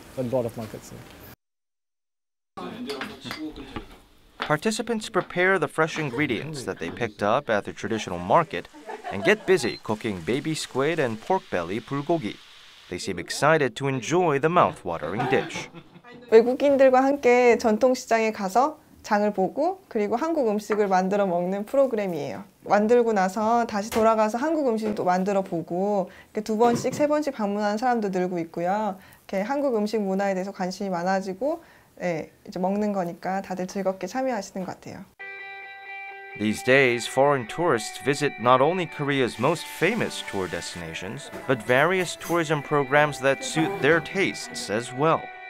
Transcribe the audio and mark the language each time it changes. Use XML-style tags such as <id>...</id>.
<en>A lot of markets. Yeah. Participants prepare the fresh ingredients that they picked up at the traditional market, and get busy cooking baby squid and pork belly bulgogi. They seem excited to enjoy the mouth-watering dish.</en> <ko>외국인들과 함께 전통시장에 가서 장을 보고 그리고 한국 음식을 만들어 먹는 프로그램이에요. 만들고 나서 다시 돌아가서 한국 음식도 만들어 보고 이렇게 두 번씩, 세 번씩 방문하는 사람도 늘고 있고요. 이렇게 한국 음식 문화에 대해서 관심이 많아지고 예, 이제 먹는 거니까 다들 즐겁게 참여하시는 것 같아요.</ko> <en>These days, foreign tourists visit not only Korea's most famous tour destinations, but various tourism programs that suit their tastes as well.</en>